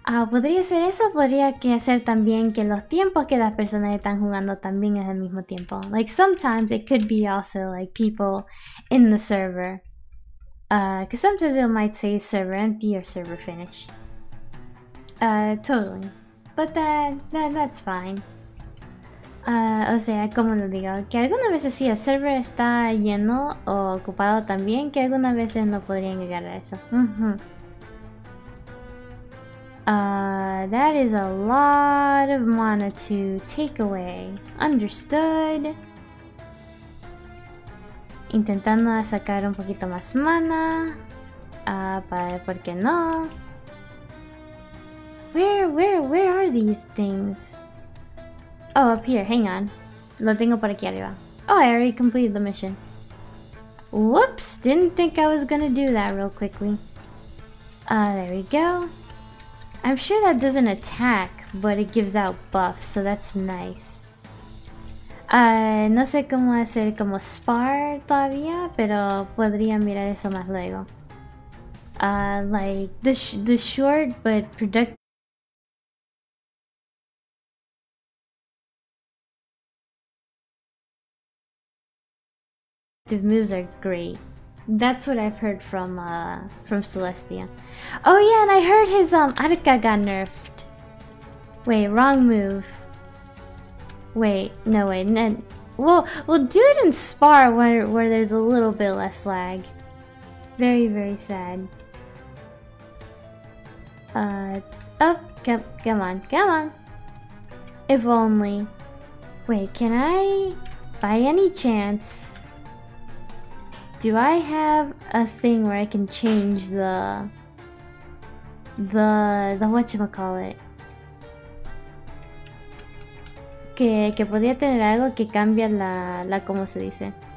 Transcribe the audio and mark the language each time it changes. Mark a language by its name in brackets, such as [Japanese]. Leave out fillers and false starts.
[Spanish] Podría ser eso, podría que hacer también que los tiempos que las personas están jugando también es el mismo tiempo. [English] Like sometimes it could be also like people in the server. Because sometimes it might say server empty or server finished. Totally. But that's fine. [Spanish] O sea, ¿cómo lo digo? Que algunas veces sí, el server está lleno o ocupado también, que algunas veces no podrían llegar a eso. [English] That is a lot of mana to take away. Understood. [Spanish] Intentando sacar un poquito más mana. Para, ¿por qué no? [English] Where are these things? Oh, up here, hang on. [Spanish] Lo tengo por aquí arriba. [English] Oh, I already completed the mission. Whoops, didn't think I was gonna do that real quickly. There we go. I'm sure that doesn't attack, but it gives out buffs, so that's nice. [Spanish] No sé cómo hacer como spar todavía, pero podría mirar eso más luego. [English] Like the short but productive. The moves are great. That's what I've heard from Celestia. Oh yeah, and I heard his Arca got nerfed. Wait, wrong move. Wait, no wait, then we'll do it in spar where there's a little bit less lag. Very sad. Come on, come on. If only. Wait, can I by any chance? Do I have a thing where I can change the whatchamacallit? [Spanish] Que podría tener algo que cambia la cómo se dice.